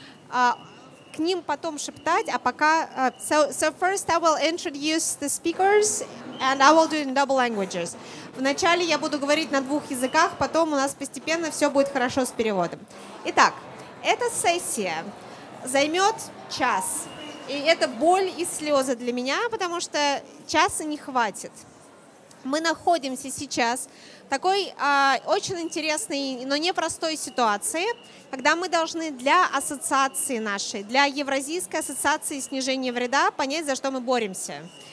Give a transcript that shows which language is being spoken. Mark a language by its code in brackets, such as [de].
[ru] К ним потом шептать, а пока... [en] So first I will introduce the speakers and I will do it in double languages. [ru] Вначале я буду говорить на двух языках, потом у нас постепенно все будет хорошо с переводом. Итак, эта сессия займет час. И это боль и слезы для меня, потому что часа не хватит. Мы находимся сейчас в такой очень интересной, но непростой ситуации, когда мы должны для ассоциации нашей, для Евразийской ассоциации снижения вреда, понять, за что мы боремся.